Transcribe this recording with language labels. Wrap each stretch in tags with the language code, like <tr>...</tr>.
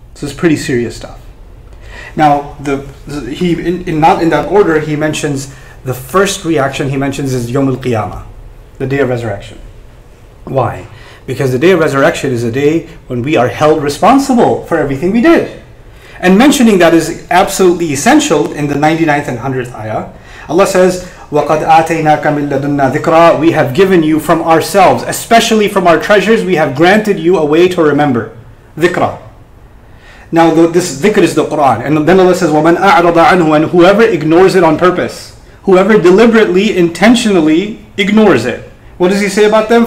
<en>So it's pretty serious stuff. Now, he mentions the first reaction he mentions is Yom Al-Qiyamah, the Day of Resurrection. Why? Because the Day of Resurrection is a day when we are held responsible for everything we did. And mentioning that is absolutely essential in the 99th and 100th ayah. Allah says,</en> <ar>وَقَدْ آتَيْنَاكَ مِنْ لَدُنَّا ذِكْرًا.</ar> <en>We have given you from ourselves, especially from our treasures, we have granted you a way to remember.</en> <ar>ذِكْرًا.</ar> <en>Now this dhikr is the Qur'an. And then Allah says,</en> <ar>وَمَنْ أَعْرَضَ عَنْهُ.</ar> <en>And whoever ignores it on purpose, whoever deliberately, intentionally ignores it, what does he say about them?</en>